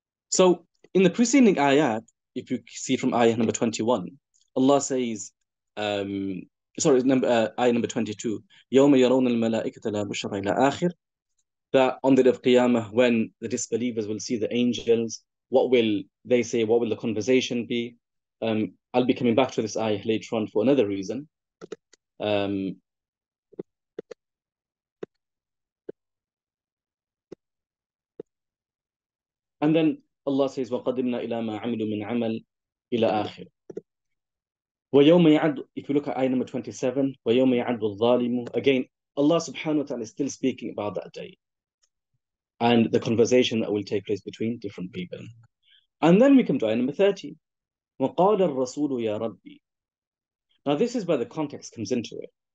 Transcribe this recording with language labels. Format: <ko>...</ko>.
<en>So in the preceding ayat, if you see from ayah number 21, Allah says, ayah number 22,</en> <ar>يَوْمَ يَرَوْنَ الْمَلَائِكَةَ لَا بُشْرَ إِلَىٰ آخِرِ,</ar> <en>that on the day of Qiyamah, when the disbelievers will see the angels, what will they say? What will the conversation be? I'll be coming back to this ayah later on for another reason. And then Allah says,</en> <ar>وَقَدِمْنَا إِلَى مَا عَمِلُوا مِنْ عَمَلٍ إِلَىٰ آخِرٍ. وَيَوْمَ يَعَدُ</ar> <en>If you look at ayah number 27,</en> <ar>وَيَوْمَ يَعَدُ الظَّالِمُ</ar> <en>Again, Allah subhanahu wa ta'ala is still speaking about that day and the conversation that will take place between different people. And then we come to ayah number 30.</en> <ar>وَقَالَ الرَّسُولُ يَا رَبِّي</ar> <en>Now this is where the context comes into it.</en>